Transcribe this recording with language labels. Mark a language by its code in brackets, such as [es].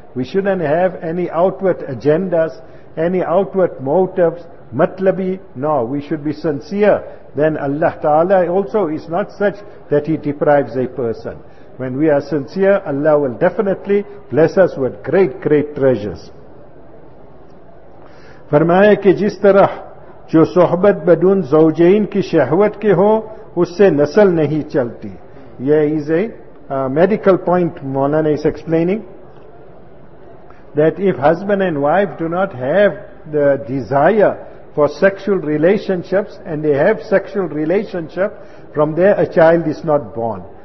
[en] We shouldn't have any outward agendas, any outward motives, matlabi. No, we should be sincere. Then Allah Ta'ala also is not such that He deprives a person. When we are sincere, Allah will definitely bless us with great, great treasures. [ur] فرمایا کہ جس طرح جو صحبت بدون زوجین کی شہوت کے ہو اس سے نسل نہیں چلتی. [en] یہ is a medical point Maulana is explaining, that if husband and wife do not have the desire for sexual relationships, and they have sexual relationship, from there a child is not born.